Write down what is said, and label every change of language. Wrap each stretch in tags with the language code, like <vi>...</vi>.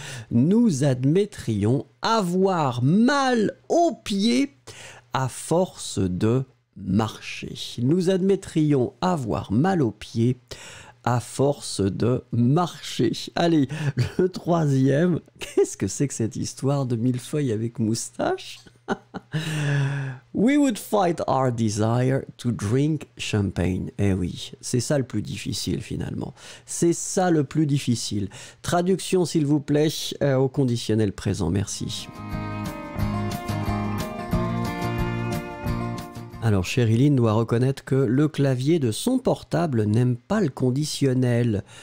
<fr>Nous admettrions avoir mal aux pieds à force de marcher. Nous admettrions avoir mal aux pieds à force de marcher. Allez, le troisième. Qu'est-ce que c'est que cette histoire de millefeuille avec moustache?</fr> <en>We would fight our desire to drink champagne.</en> <fr>Eh oui, c'est ça le plus difficile finalement. C'est ça le plus difficile. Traduction s'il vous plaît au conditionnel présent. Merci. Alors, Cherylyn doit reconnaître que le clavier de son portable n'aime pas le conditionnel.</fr>